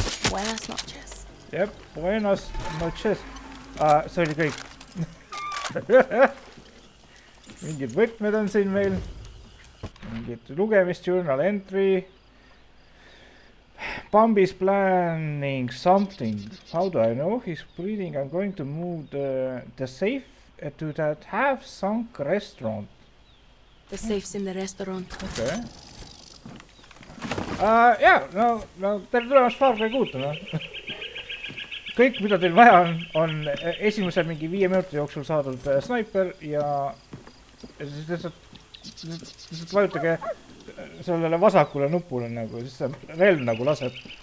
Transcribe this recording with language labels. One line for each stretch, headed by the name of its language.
Spanish: Buenas noches.
Estonian: Jep,
Spanish: buenas noches.
Estonian: See oli kõik. Mingid võtmed on siin meil. Mingid lugemist,
English: journal entry. Bambi's planning something. How do I know his breathing? I'm going to move the safe to that half-sunk restaurant. The safe's in the restaurant. Okay.
Estonian: Jah, no teile tulemast paar kõige uut, no. Kõik, mida teil vaja on, on esimesel mingi 5 minuti jooksul saadud sniper ja... siis lihtsalt vajutage sellele vasakule nupule nagu, siis see relv nagu laseb.